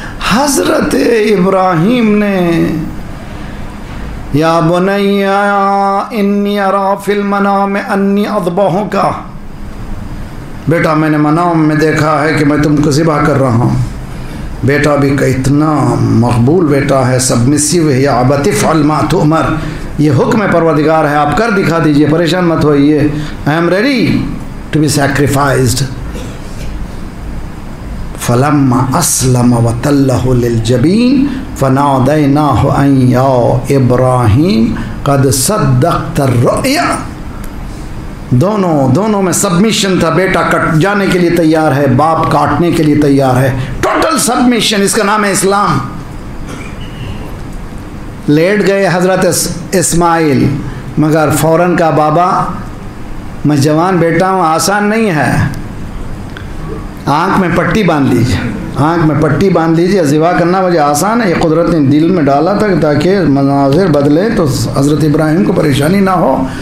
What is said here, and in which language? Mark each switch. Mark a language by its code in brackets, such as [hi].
[ur] حضرت ابراہیم نے [ar] یا بنی انی ارا فی المنام انی اذبحک [ur] کا، بیٹا میں نے منام میں دیکھا ہے کہ میں تم کو ذبح کر رہا ہوں. بیٹا بھی کہ اتنا مقبول بیٹا ہے، سبمسیو ہے، [ar] یا ابت افعل ما تؤمر، [ur] یہ حکم پروردگار ہے، آپ کر دکھا دیجئے، پریشان مت ہوئیے، [en] I am ready to be sacrificed. [ar] فلما اسلم وتله للجبين فناديناه ان يا ابراهيم قد صدقت الرؤيا. [ur] دونوں میں سبمیشن تھا، بیٹا کٹ جانے کے لیے تیار ہے، باپ کاٹنے کے لیے تیار ہے، ٹوٹل سبمیشن. اس کا نام ہے اسلام. لیٹ گئے حضرت اسماعیل، مگر فوراً کا بابا میں جوان بیٹا ہوں، آسان نہیں ہے، آنکھ میں پٹی باندھ لیجیے، آنکھ میں پٹی باندھ لیجیے، ذبح کرنا مجھے آسان ہے، یہ قدرت نے دل میں ڈالا تھا تاکہ مناظر بدلے تو حضرت ابراہیم کو پریشانی نہ ہو.